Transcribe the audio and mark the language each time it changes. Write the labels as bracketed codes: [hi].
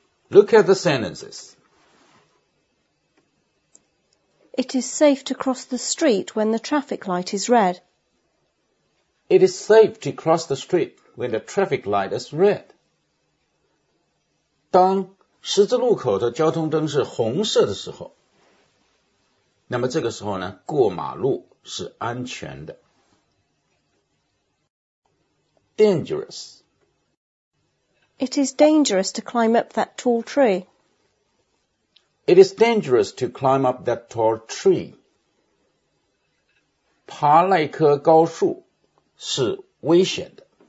[en] Look at the sentences. It is safe to cross the street when the traffic light is red. It is safe to cross the street when the traffic light is red. [zh] 当十字路口的交通灯是红色的时候，那么这个时候呢，过马路是安全的。 [en] Dangerous. It is dangerous to climb up that tall tree. It is dangerous to climb up that tall tree. [zh] 爬那棵高树。是危险的。